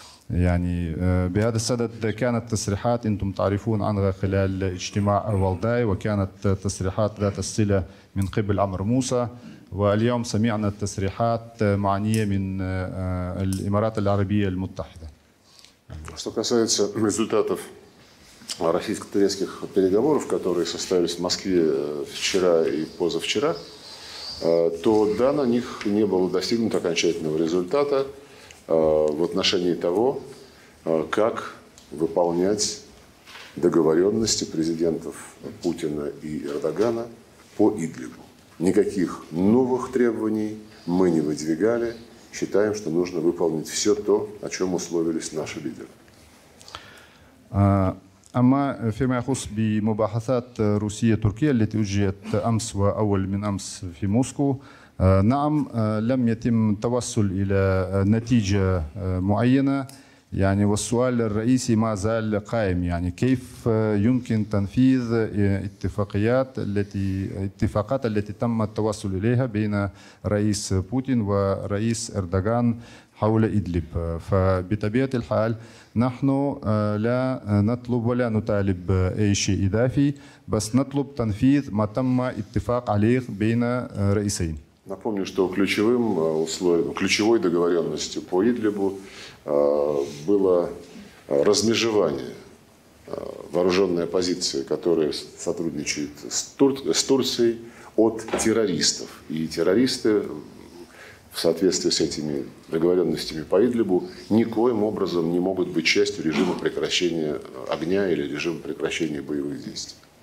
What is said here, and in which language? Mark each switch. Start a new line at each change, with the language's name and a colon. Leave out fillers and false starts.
Arabic: يعني بهذا السدد كانت تصريحات أنتم تعرفون عنها خلال اجتماع الوالداي، وكانت تصريحات ذات الصلة من قبل عمرو موسى، واليوم سمعنا تصريحات معنية من الإمارات العربية المتحدة.
Russian: Что касается результатов российско-турецких переговоров, которые состоялись в Москве вчера и позавчера, то да, на них не было достигнуто окончательного результата в отношении того, как выполнять договоренности президентов Путина и Эрдогана по Идлибу. Никаких новых требований мы не выдвигали. Считаем, что нужно выполнить все то, о чем условились наши лидеры.
Arabic: أما فيما يخص بمباحثات روسية تركية التي أجريت أمس وأول من أمس في موسكو، نعم لم يتم التوصل إلى نتيجة معينة. يعني والسؤال الرئيسي ما زال قائم، يعني كيف يمكن تنفيذ الاتفاقات التي تم التوصل إليها بين رئيس بوتين ورئيس إردوغان حول إدلب؟ فبطبيعة الحال نحن لا نطلب ولا نطالب أي شيء إضافي، بس نطلب تنفيذ ما تم اتفاق عليه بين رئيسين.
Russian: Напомню, что ключевым условием, ключевой договоренностью по Идлибу было размежевание вооруженной оппозиции, которая сотрудничает с Турцией, от террористов. И террористы в соответствии с этими договоренностями по Идлибу никоим образом не могут быть частью режима прекращения огня или режима прекращения боевых действий.